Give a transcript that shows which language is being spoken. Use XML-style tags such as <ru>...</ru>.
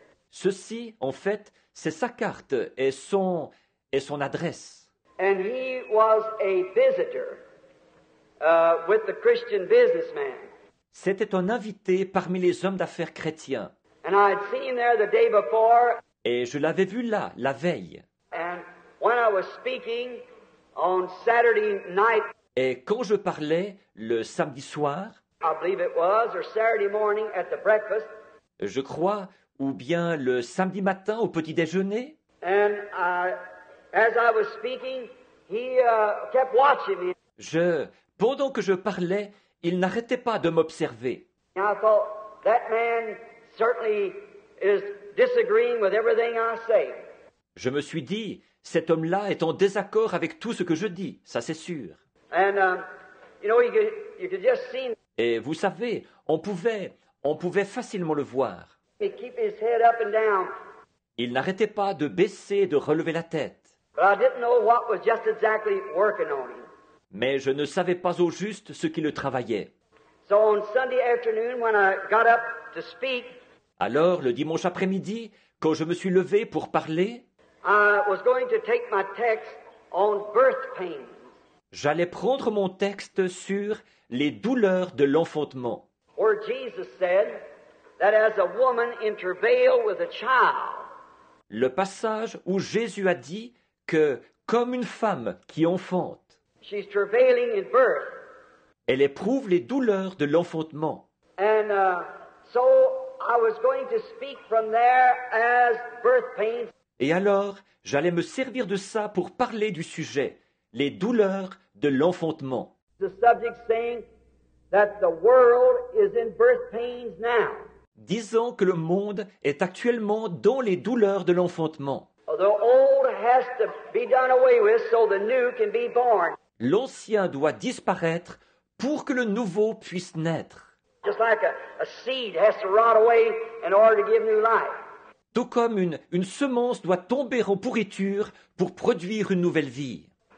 <fr>Ceci, en fait, c'est sa carte et son adresse.</fr> <en>And he was a visitor with the Christian businessman.</en> <fr>C'était un invité parmi les hommes d'affaires chrétiens.</fr> <en>And I had seen there the day before.</en> <fr>Et je l'avais vu là, la veille.</fr> <en>And when I was speaking on Saturday night.</en> <fr>Et quand je parlais le samedi soir,</fr> <en>I believe it was, or Saturday morning at the breakfast,</en> <fr>je crois, ou bien le samedi matin au petit déjeuner,</fr> <en>and as I was speaking, he kept watching me.</en> <fr>Pendant que je parlais, il n'arrêtait pas de m'observer.</fr> <en>I thought, that man certainly is disagreeing with everything I say.</en> <fr>Je me suis dit, cet homme-là est en désaccord avec tout ce que je dis, ça c'est sûr.</fr> <en>And you could just see.</en> <fr>Et vous savez, on pouvait facilement le voir.</fr> <en>He keep his head up and down.</en> <fr>Il n'arrêtait pas de baisser et de relever la tête.</fr> <en>But I didn't know what was just exactly working on him.</en> <fr>Mais je ne savais pas au juste ce qui le travaillait.</fr> <en>So on Sunday afternoon when I got up to speak.</en> <fr>Alors le dimanche après-midi, quand je me suis levé pour parler,</fr> <en>I was going to take my text on birth pain.</en> <fr>J'allais prendre mon texte sur les douleurs de l'enfantement.</fr> <en>Or Jesus said that as a woman in travail with a child.</en> <fr>Le passage où Jésus a dit que comme une femme qui enfante.</fr> <en>She's travailing in birth.</en> <fr>Elle éprouve les douleurs de l'enfantement.</fr> <en>And so I was going to speak from there as birth pains.</en> <fr>Et alors, j'allais me servir de ça pour parler du sujet. Les douleurs de l'enfantement.</fr> <en>The subject saying that the world is in birth pains now.</en> <fr>Disant que le monde est actuellement dans les douleurs de l'enfantement.</fr> <en>The old has to be done away with so the new can be born.</en> <fr>L'ancien doit disparaître pour que le nouveau puisse naître.</fr> <en>Just like a seed has to rot away in order to give new life.</en> <fr>Tout comme une semence doit tomber en pourriture pour produire une nouvelle vie.</fr>